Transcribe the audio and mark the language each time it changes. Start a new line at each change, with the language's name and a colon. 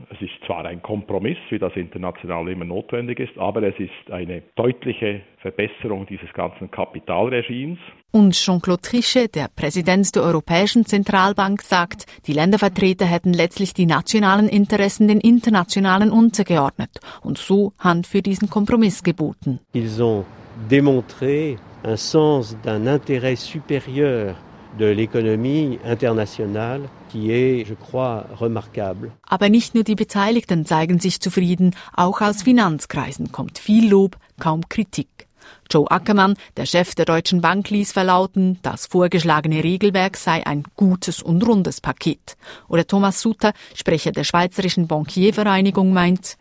German: Es ist zwar ein Kompromiss, wie das international immer notwendig ist, aber es ist eine deutliche Verbesserung dieses ganzen Kapitalregimes. Und Jean-Claude Trichet, der Präsident der Europäischen Zentralbank, sagt, die Ländervertreter hätten letztlich die nationalen Interessen den internationalen untergeordnet und so Hand für diesen Kompromiss geboten.
French: Ils ont démontré un sens d'un intérêt supérieur de l'économie internationale. Qui est, je crois, remarquable.
German: Aber nicht nur die Beteiligten zeigen sich zufrieden, auch aus Finanzkreisen kommt viel Lob, kaum Kritik. Joe Ackermann, der Chef der Deutschen Bank, ließ verlauten, das vorgeschlagene Regelwerk sei ein gutes und rundes Paket. Oder Thomas Sutter, Sprecher der Schweizerischen Bankiervereinigung, meint: